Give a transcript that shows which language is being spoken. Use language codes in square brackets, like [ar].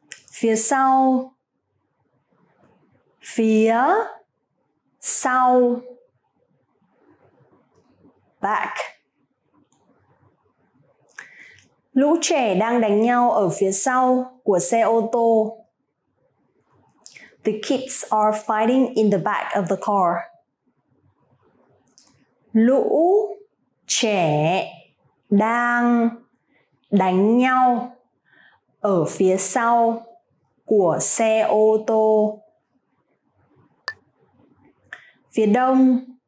[vi] Phía sau. Phía sau. [en] Back. [vi] Lũ trẻ đang đánh nhau ở phía sau của xe ô tô. [en] The kids are fighting in the back of the car. [vi] Lũ trẻ đang đánh nhau ở phía sau của xe ô tô. Phía đông.